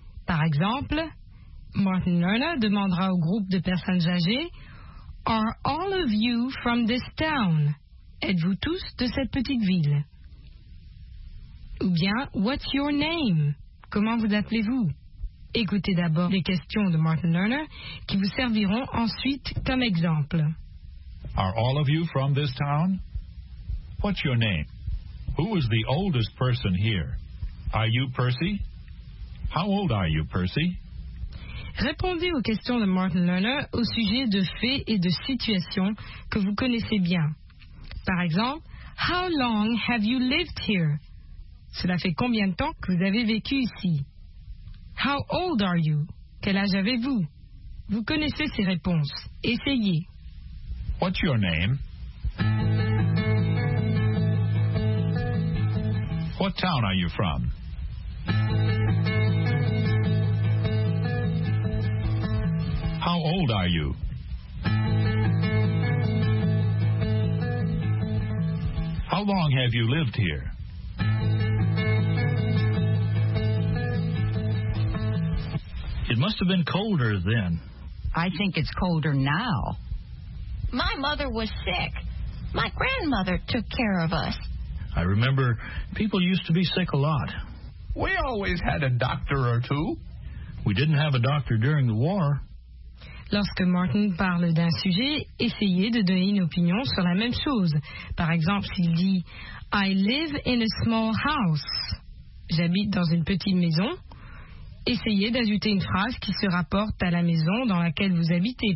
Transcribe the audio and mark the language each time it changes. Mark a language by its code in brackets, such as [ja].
[fr] Par exemple, Martin Lerner demandera au groupe de personnes âgées « [en] Are all of you from this town? [fr] » Êtes-vous tous de cette petite ville? Ou bien « [en] What's your name? [fr] » Comment vous appelez-vous? Écoutez d'abord les questions de Martin Lerner qui vous serviront ensuite comme exemple. [en] Are all of you from this town? What's your name? Who is the oldest person here? Are you Percy? How old are you, Percy? [fr] Répondez aux questions de Martin Lerner au sujet de faits et de situations que vous connaissez bien. Par exemple, [en] How long have you lived here? [fr] Cela fait combien de temps que vous avez vécu ici? [en] How old are you? [fr] Quel âge avez-vous? Vous connaissez ces réponses. Essayez. [en] What's your name? What town are you from? How old are you? How long have you lived here? It must have been colder then. I think it's colder now. My mother was sick. My grandmother took care of us. I remember people used to be sick a lot. We always had a doctor or two. We didn't have a doctor during the war. [fr] Lorsque Martin parle d'un sujet, essayez de donner une opinion sur la même chose. Par exemple, s'il dit, [en] I live in a small house. [fr] J'habite dans une petite maison. Essayez d'ajouter une phrase qui se rapporte à la maison dans laquelle vous habitez.